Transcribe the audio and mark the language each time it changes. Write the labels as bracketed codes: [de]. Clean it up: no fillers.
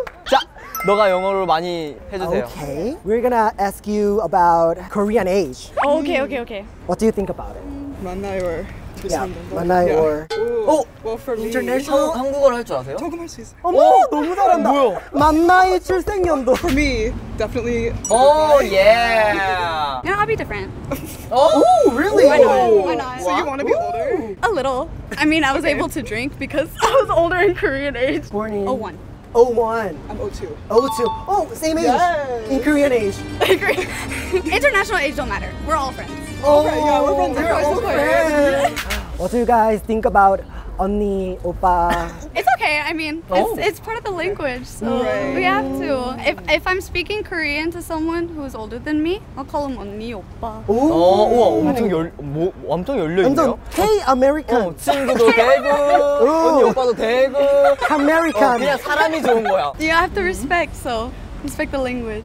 [ko] 자, 너가 영어로 많이 해주세요. [en] Okay. We're gonna ask you about Korean age. Oh, okay, okay, okay. What do you think about it? [ko] 맏나이 or 맏나이 or. [en] Oh, well, for me, international. [ko] 한국어를 할 줄 아세요? 조금 할 수 있어. 어머, 너무 잘한다. 뭐야? 맏나이 출생연도. [en] For me, definitely. Oh yeah. You know, I'll be different. Oh, really? Why not? Why not? So you want to be older? A little. I mean, I was able to drink because I was older in Korean age. Born in? 01. 01. I'm 02. 02. Oh, same age. Yes. In Korean age. International age don't matter. We're all friends. Oh, okay, yeah, we're friends. We're all friends. What do you guys think about 언니, 오빠? It's okay. I mean, it's part of the language, so right. We have to. If I'm speaking Korean to someone who's older than me, I'll call them 언니, 오빠. [ko] 오, 오 우와, 엄청 열려 있네요. 완전 K American. 친구도 되고, 언니, 오빠도 되고. [en] American. [ko] 그냥 사람이 좋은 거야. [en] You have to respect, so respect the language.